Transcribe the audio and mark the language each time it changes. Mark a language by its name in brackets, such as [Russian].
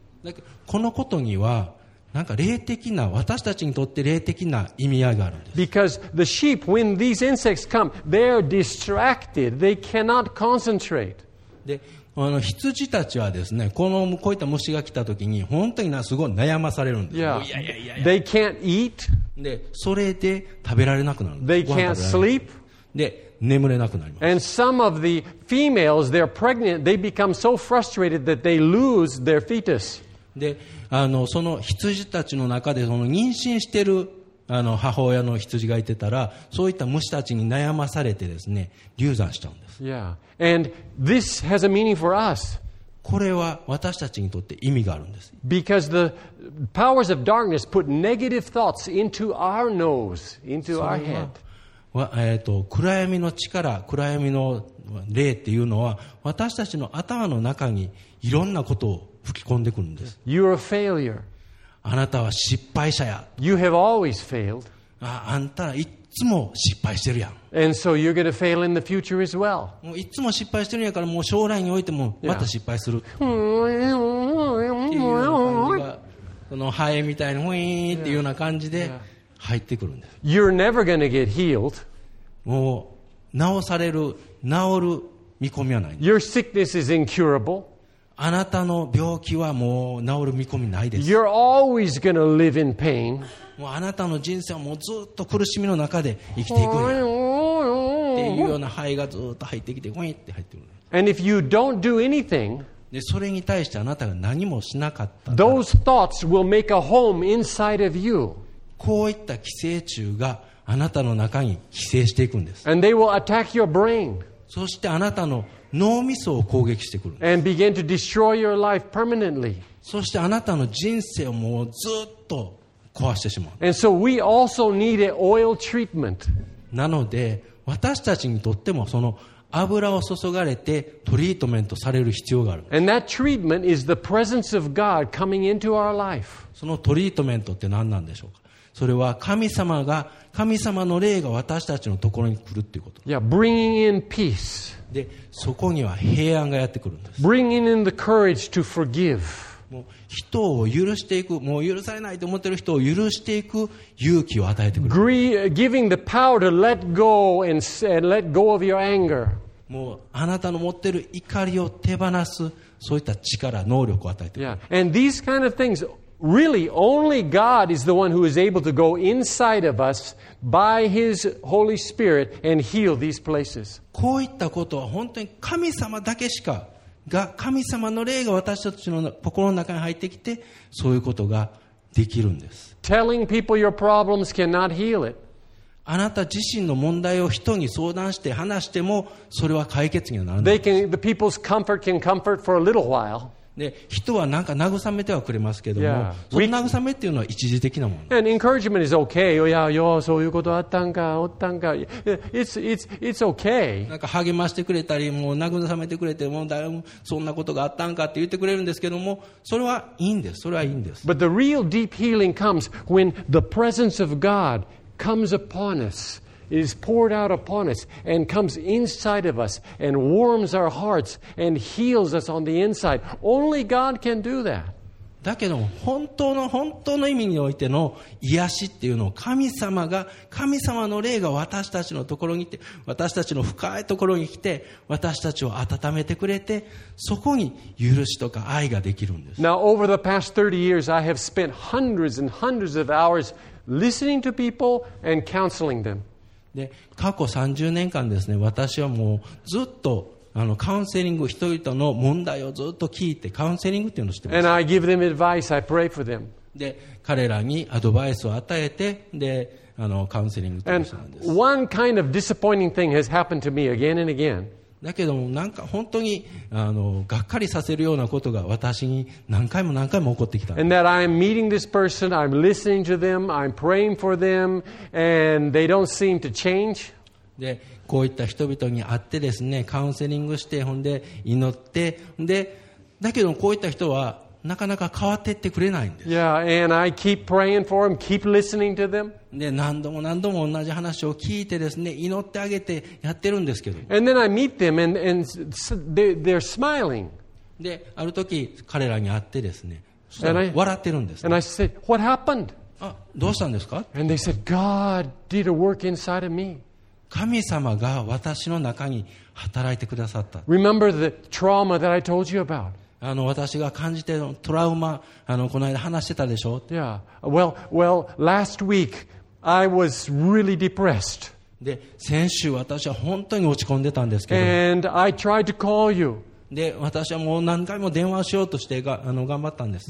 [Japanese] なんかこのことにはなんか霊的な私たちにとって霊的な意味合いがあるんです。 [English] Because the sheep, when these insects come, they are distracted. They cannot concentrate. [Japanese] で、あの羊たちはですね、こういった虫が来た時に本当にすごい悩まされるんです。 [English] Yeah. いや。They can't eat. [Japanese] で、それで食べられなくなるんです。 [English] They can't sleep. [Japanese] で、眠れなくなります。 [English] And some of the females, they're pregnant. They become so frustrated that they lose their fetus. [Japanese] で、あのその羊たちの中でその妊娠してるあの母親の羊がいてたら、そういった虫たちに悩まされてですね、流産しちゃうんです。 [English] Yeah. And this has a meaning for us. [Japanese] これは私たちにとって意味があるんです。 [English] Because the powers of darkness put negative thoughts into our nose, into our head. [Japanese] 暗闇の力、暗闇の霊っていうのは私たちの頭の中にいろんなことを吹き込んでくるんです。 [English] You're a failure. [Japanese] あなたは失敗者や。 [English] You have always failed. [Japanese] あんたらいつも失敗してるやん。 [English] And so you're going to fail in the future as well. [Japanese] もういつも失敗してるんやから、もう将来においてもまた失敗する。このハエみたいにウィーンっていうような感じで入ってくるんです。 [English] You're never going to get healed. [Japanese] もう治される、治る見込みはない。 [English] Your sickness is incurable. [Japanese] あなたの病気はもう治る見込みないです。 [English] You're always gonna live in pain. [Japanese] もうあなたの人生はもうずっと苦しみの中で生きていくんや。っていうような肺がずっと入ってきて、ウィンって入ってくる。 [English] And if you don't do anything, [Japanese] でそれに対してあなたが何もしなかったら、 [English] those thoughts will make a home inside of you. [Japanese] こういった寄生虫があなたの中に寄生していくんです。 [English] And they will attack your brain. [Japanese] そしてあなたの脳みそを攻撃してくるんです。 [English] And begin to destroy your life permanently. [Japanese] そしてあなたの人生をもうずっと壊してしまう。 [English] And so we also need an oil treatment. [Japanese] なので私たちにとってもその油を注がれてトリートメントされる必要がある。 [English] And that treatment is the presence of God coming into our life. [Japanese] そのトリートメントって何なんでしょうか。それは神様の霊が私たちのところに来るっていうこと。 [English] Yeah, bringing in peace. [Japanese] でそこには平安がやってくるんです。 [English] Bringing in the courage to forgive. [Japanese] もう人を許していく、もう許されないと思っている人を許していく勇気を与えてくる。 [English] Giving the power to let go and let go of your anger. [Japanese] もうあなたの持っている怒りを手放す、そういった力、能力を与えてくる。 [English] Yeah. And these kind of things, really, only God is the one who is able to go inside of us by His Holy Spirit and heal these places. [Japanese] こういったことは本当に神様だけしかが神様の霊が私たちの心の中に入ってきてそういうことができるんです。 [English] Telling people your problems cannot heal it. [Japanese] あなた自身の問題を人に相談して話してもそれは解決にはならない。 [English] They can, the people's comfort can comfort for a little while. [Japanese] で人はなんか慰めてはくれますけども、yeah. その慰めっていうのは一時的なもの。 [English] And encouragement is okay. [Japanese] いやよそういうことあったんかおったんか。 [English] It's okay. [Japanese] なんか励ましてくれたりもう慰めてくれてもう誰もそんなことがあったんかって言ってくれるんですけども、それはいいんです。それはいいんです。 [English] But the real deep healing comes when the presence of God comes upon us, is poured out upon us, and comes inside of us, and warms our hearts, and heals us on the inside. Only God can do that. [Japanese] だけど本当の意味においての癒しっていうのを神様の霊が私たちのところに来て、私たちの深いところに来て、私たちを温めてくれて、そこに許しとか愛ができるんです。 [English] Now, over the past 30 years, I have spent hundreds and hundreds of hours listening to people and counseling them. [Japanese] で過去30年間ですね、私はもうずっとカウンセリング、人々の問題をずっと聞いて、カウンセリングっていうのをしてます。 [English] And I give them advice, I pray for them. [Japanese] で、彼らにアドバイスを与えて、で、カウンセリングっていうのをしてるんです。 [English] And one kind of disappointing thing has happened to me again and again. [Japanese] だけども、なんか本当に、がっかりさせるようなことが私に何回も何回も起こってきたんです。 [English] And that I'm meeting this person, I'm listening to them, I'm praying for them, and they don't seem to change. [Japanese] で、こういった人々に会ってですね、カウンセリングして、ほんで祈って、で、だけどこういった人はなかなか変わっていってくれないんです。 [English] Yeah, and I keep praying for them, keep listening to them. [Japanese] で、何度も何度も同じ話を聞いてですね、祈ってあげてやってるんですけど。 [English] And then I meet them and they're smiling. [Japanese] で、ある時彼らに会ってですね、笑ってるんです、ね。 [English] And I said, "What happened?" [Japanese] あ、どうしたんですか？ [English] And they said, "God did a work inside of me." [Japanese] 神様が私の中に働いてくださった。 [English] Remember the trauma that I told you about. [Japanese] 私が感じてるトラウマ、この間話してたでしょ。 [English] Yeah. Well, last week I was really depressed. [Japanese] で、先週私は本当に落ち込んでたんですけど。 [English] And I tried to call you. [Japanese] で、私はもう何回も電話しようとして頑張ったんです。